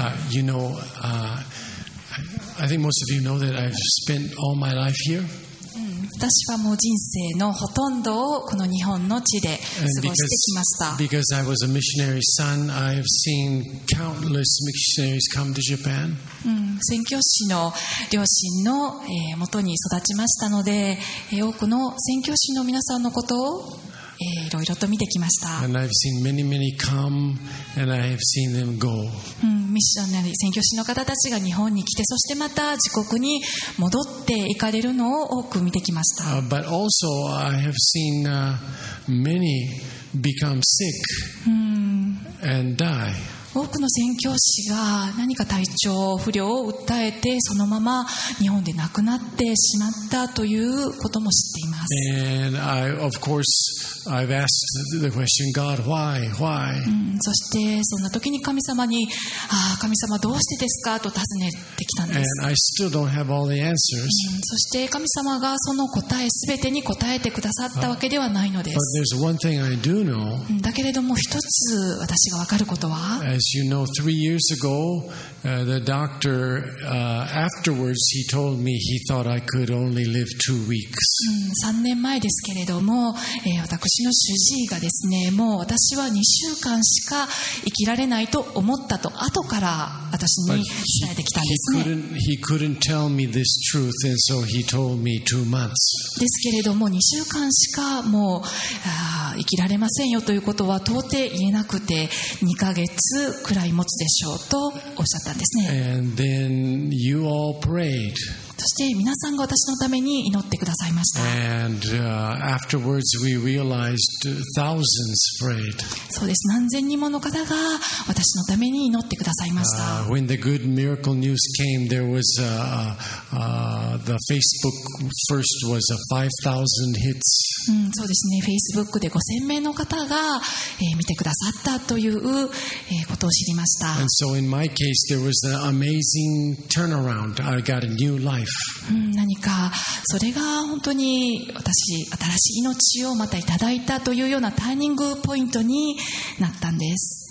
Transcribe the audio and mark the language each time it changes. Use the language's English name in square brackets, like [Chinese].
[English] You know, I think most of you know that I've spent all my life here. [Japanese] 私はもう人生のほとんどをこの日本の地で過ごしてきました。 [English] Because I was a missionary son, I've seen countless missionaries come to Japan. [Japanese] 宣教師の両親の元に育ちましたので、多くの宣教師の皆さんのことをいろいろと見てきました。 [English] And I've seen many, many come, and I have seen them go. [Japanese] ミッションなり宣教師の方たちが日本に来て、そしてまた自国に戻って行かれるのを多く見てきました。 [English] But also I have seen many become sick and die. [Japanese] 多くの宣教師が何か体調不良を訴えてそのまま日本で亡くなってしまったということも知っています。 [English] And I, of course, I've asked the question, God, why? Why? [Japanese] そしてそんな時に神様に、ああ神様どうしてですかと尋ねてきたんです。 [English] And I still don't have all the answers. [Japanese] そして神様がその答えすべてに答えてくださったわけではないのです。 [English] But there's one thing I do know. [Japanese] だけれども一つ私がわかることは、 [English] As you know, 3 years ago, the doctor, afterwards, he told me he thought I could only live 2 weeks. [Japanese] 3年前ですけれども、私の主治医がですね、もう私は2週間しか生きられないと思ったと、後から私に伝えてきたんですね。 [English] He couldn't tell me this truth, and so he told me 2 months. [Japanese] ですけれども、2週間しかもう、生きられませんよということは到底言えなくて、2ヶ月くらい持つでしょうとおっしゃったんですね。 [English] And then you all prayed. [Japanese] そして皆さんが私のために祈ってくださいました。 [English] And, afterwards we realized thousands prayed. [Japanese] そうです、何千人もの方が私のために祈ってくださいました。 [English] When the good miracle news came, there was the Facebook first was 5,000 hits. [Japanese] そうですね、Facebook で5000名の方が、見てくださったという、ことを知りました。 [English] And so in my case, there was an amazing turnaround. I got a new life. [Japanese] 何かそれが本当に私、新しい命をまたいただいたというようなターニングポイントになったんです。